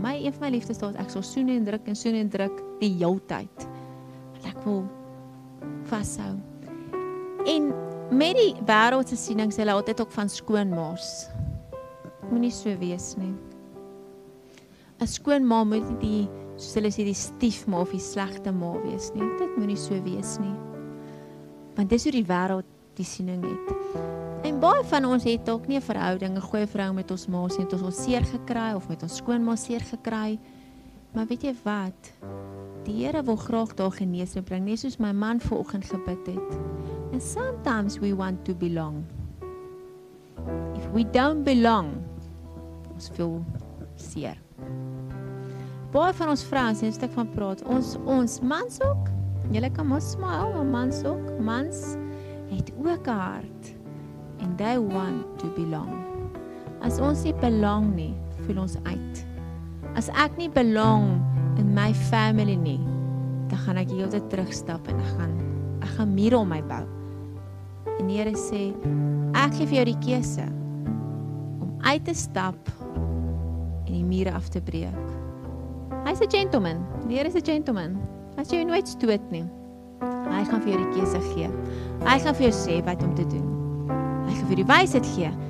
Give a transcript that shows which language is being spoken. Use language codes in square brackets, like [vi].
[af] My, een van my liefdestaal is ek sal soene en druk en soene en druk die jou tyd. Want ek wil vashou. En met die wêreldse siening sê hulle altyd ook van skoonmaas. Moet nie so wees nie. Een skoonma moet nie die, soos hulle sê, die stiefma of die slegte ma wees nie. Dit moet nie so wees nie. Want dis hoe die wêreld die siening het. En baie van ons het ook nie verhouding, een goeie verhouding met ons maas, het ons seer gekry of met ons skoonma seer gekry. Maar weet jy wat? Die Here wil graag daar geneesing bring, net soos my man vanoggend gebid het. [en] And sometimes we want to belong. If we don't belong, [af] ons voel seer. Baie van ons vrouens, en stuk van praat, ons mans ook, julle kan maar smile, maar mans ook, mans het ook 'n hart. [en] And they want to belong. [af] As ons nie belong nie, voel ons uit. As ek nie belong in my family nie, dan gaan ek heel te terugstap en ek gaan mure om my bou. En die Here sê, ek gee vir jou die keuse om uit te stap en die mure af te breek. Hy's 'n gentleman. Die Here is 'n gentleman. As jy nooit stoot nie, hy gaan vir jou die keuse gee. Hy gaan vir jou sê wat om te doen. Hy gaan vir die wysheid gee.